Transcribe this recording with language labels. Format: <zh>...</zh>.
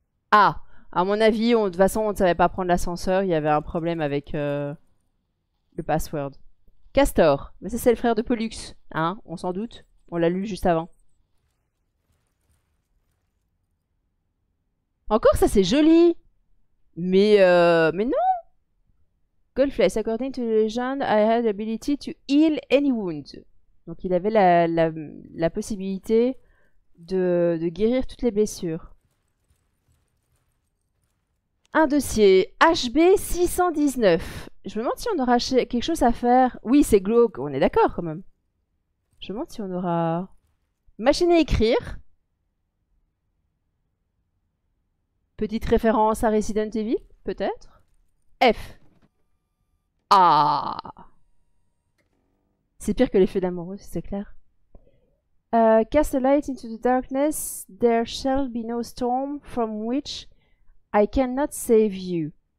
<fr>Ah, à mon avis, de toute façon, on ne savait pas prendre l'ascenseur, il y avait un problème avec le password. Castor, mais ça c'est le frère de Pollux, hein, on s'en doute, on l'a lu juste avant. Encore, ça c'est joli, mais non!</fr> <en>Goldflesh, according to the legend, I had the ability to heal any wound.</en> <fr>Donc il avait la possibilité de guérir toutes les blessures. Un dossier, HB619. Je me demande si on aura quelque chose à faire. Oui, c'est glauque, on est d'accord quand même. Je me demande si on aura... Machine à écrire. Petite référence à Resident Evil, peut-être. F. Ah! C'est pire que les feux d'amoureux, c'est clair.</fr> <en>Cast a light into the darkness. There shall be no storm from which I cannot save you.</en>